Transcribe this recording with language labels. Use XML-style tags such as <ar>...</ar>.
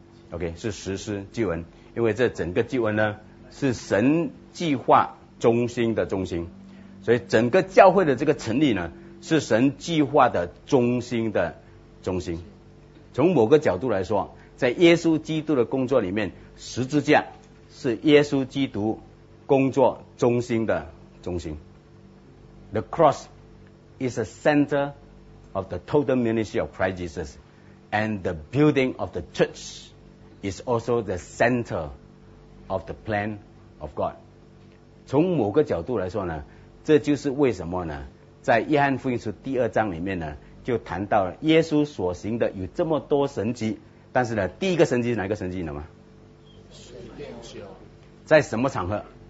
<zh>OK， 是实施救恩，因为这整个救恩呢是神计划中心的中心，所以整个教会的这个成立呢是神计划的中心的中心。从某个角度来说，在耶稣基督的工作里面，十字架是耶稣基督工作中心的中心。</zh> <en>The cross is the center of the total ministry of Christ Jesus and the building of the church is also the center of the plan of God。</en> <zh>从某个角度来说呢，这就是为什么呢，在约翰福音书第二章里面呢就谈到了耶稣所行的有这么多神迹，但是呢第一个神迹是哪个神迹呢吗？在什么场合？</zh>